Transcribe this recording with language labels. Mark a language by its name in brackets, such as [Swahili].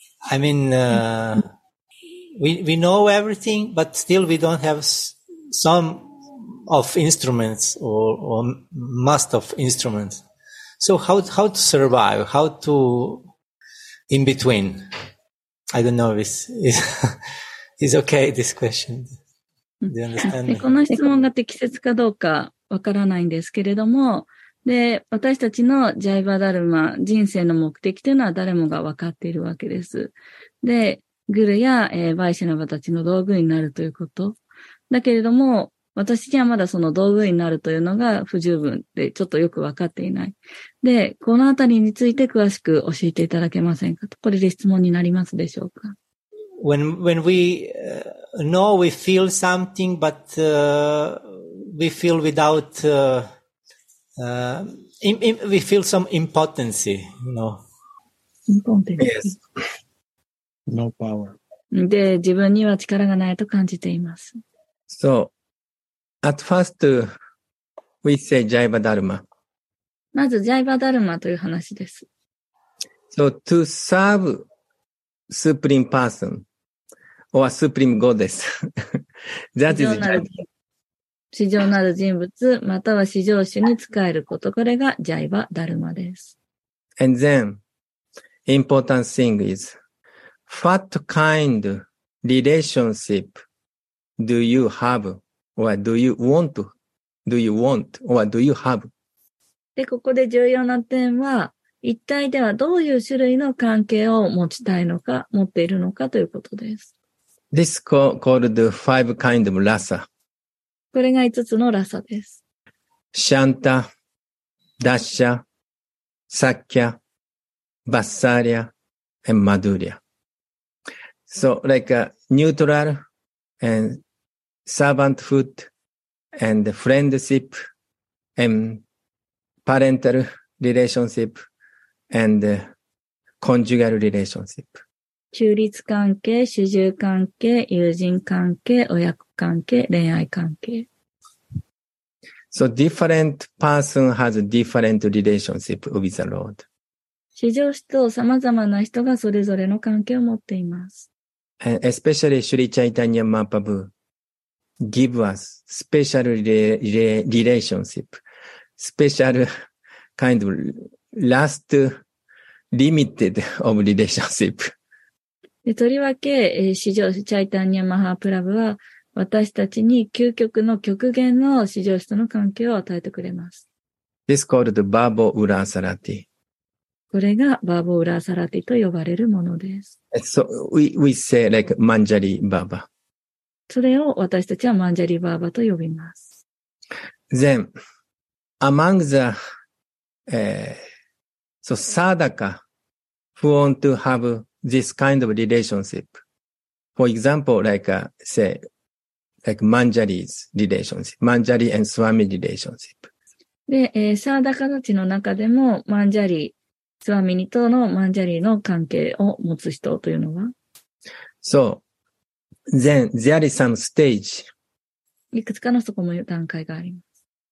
[English] I mean, we know everything, but still we don't haveSome of instruments or must of instruments. So how to survive? How to in between? I don't know if it's okay, this question. Do you understand? [Japanese] この質問が適切かどうかわからないんですけれども、で、私たちのジャイバダルマ、人生の目的というのは誰もがわかっているわけです。で、グルや、バイシナバたちの道具になるということ。だけれども、私にはまだその道具になるというのが不十分で、ちょっとよくわかっていない。で、このあたりについて詳しく教えていただけませんか？これで質問になりますでしょうか？ [English] When we know we feel something, but we feel without, we feel some impotency, you know. Impotency. Yes. No power. [Japanese] で、自分には力がないと感じています。 [English] So, at first, we say Jaiva Dharma. [Japanese] まず Jaiva Dharma という話です。 [English] So, to serve Supreme Person or Supreme Goddess. That is Jaiva. [Japanese] 至上なる人物または至上主に仕えること。これが Jaiva Dharma です。 [English] And then, important thing is, what kind relationship do you have, or do you want? Do you want, or do you have? [Japanese] で、ここで重要な点は、一体ではどういう種類の関係を持ちたいのか、持っているのかということです。 [English] This is called five kind of rasa. [Japanese] これが5つのラサです。シャンタ、ダッシャ、サッキャ、バッサリア、and マドゥリア。 [English] So, like, neutral, and servanthood, and friendship, and parental relationship, and conjugal relationship. [Japanese] 中立関係、主従関係、友人関係、親子関係、恋愛関係。 [English] So different person has different relationship with the Lord. [Japanese] 至上主と様々な人がそれぞれの関係を持っています。 [English] And especially Sri Chaitanya Mahaprabhu give us special relationship, special kind of last limited of relationship. [Japanese] とりわけ、至上主チャイタンニャ・マハプラブは私たちに究極の極限の至上主との関係を与えてくれます。 [English] This called Babo Urasarati. [Japanese] これがバーボーウラーサラティと呼ばれるものです。 [English] So we say like Manjari Baba. [Japanese] それを私たちはマンジャリバーバと呼びます。 [English] Then, among the, so sadaka who want to have this kind of relationship, for example, like, say,Like Manjari's relationship, Manjari and Swami relationship. [Japanese] で、サーダカたちの中でも、マンジャリ、スワミニとのマンジャリの関係を持つ人というのは [English] ?So, then there is some stage. [Japanese] いくつかのそこも段階があります。